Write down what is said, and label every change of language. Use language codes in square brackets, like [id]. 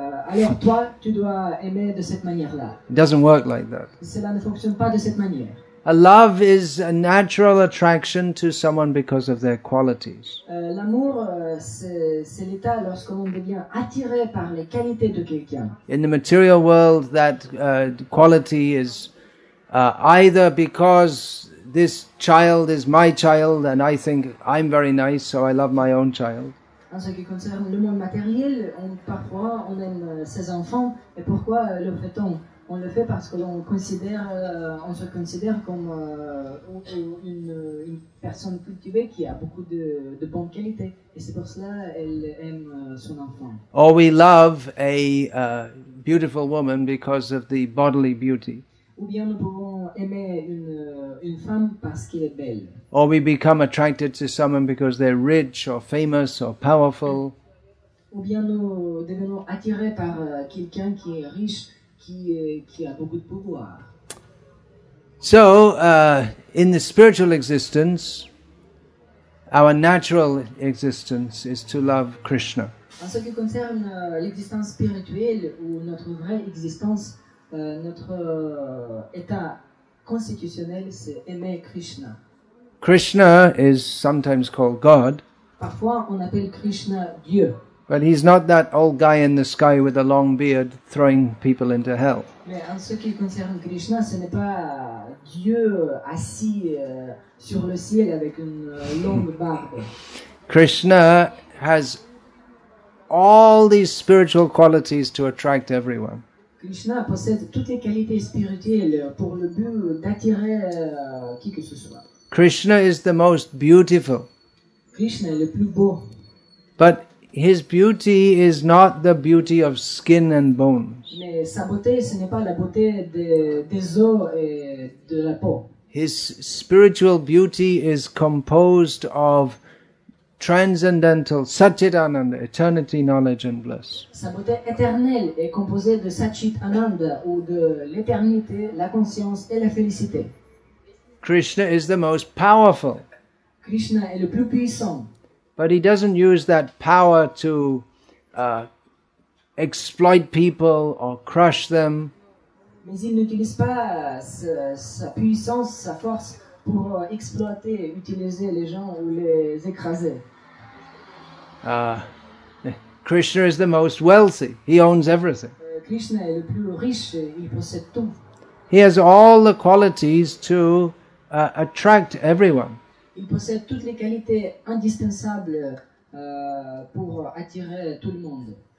[fr] Alors toi, tu dois aimer de cette manière-là. [en] It doesn't work like that. [fr] Cela ne fonctionne pas de cette manière. [en] A love is a natural attraction to someone because of their qualities. [fr] L'amour, c'est l'état lorsqu'on devient attiré par les qualités de quelqu'un. [en] In the material world, that quality is either because this child is my child and I think I'm very nice, so I love my own child. [fr] En ce qui concerne le monde matériel, parfois on aime ses enfants, et pourquoi le fait-on? On le fait parce qu'on considère, on se considère comme une personne cultivée qui a beaucoup de bonnes qualités, et c'est pour cela qu'elle aime son enfant. [en] Or we love a beautiful woman because of the bodily beauty. [fr] Ou bien nous pouvons aimer une femme parce qu'elle est belle. [en] Or we become attracted to someone because they're rich or famous or powerful. [fr] Ou bien nous devenons attirés par quelqu'un qui est riche. Qui a beaucoup de pouvoir. [en] So, in the spiritual existence, our natural existence is to love Krishna. [fr] En ce qui concerne l'existence spirituelle ou notre vraie existence, notre état constitutionnel, c'est aimer Krishna. [en] Krishna is sometimes called God. [fr] Parfois, on appelle Krishna Dieu. [en] But he's not that old guy in the sky with a long beard throwing people into hell. [fr] Mais en ce qui concerne Krishna, ce n'est pas Dieu assis sur le ciel avec une longue barbe. [en] Krishna has all these spiritual qualities to attract everyone. [fr] Krishna possède toutes les qualités spirituelles pour le but d'attirer qui que ce soit. [en] Krishna is the most beautiful. [fr] Krishna est le plus beau. [en] But his beauty is not the beauty of skin and bones. [fr] Mais sa beauté, ce n'est pas la beauté des os et de la peau. [en] His spiritual beauty is composed of transcendental Satchitananda, eternity knowledge and bliss. [fr] Sa beauté éternelle est composée de Satchitananda ou de l'éternité, la conscience et la félicité. [en] Krishna is the most powerful. [fr] Krishna est le plus puissant. [en] But he doesn't use that power to exploit people or crush them. [fr] Mais il n'utilise pas sa puissance, sa force pour exploiter, utiliser les gens ou les écraser. [en] Krishna is the most wealthy. He owns everything. [fr] Krishna est le plus riche. Il possède tout. [en] He has all the qualities to attract everyone. [fr] Il possède toutes les qualités indispensables pour attirer tout le monde.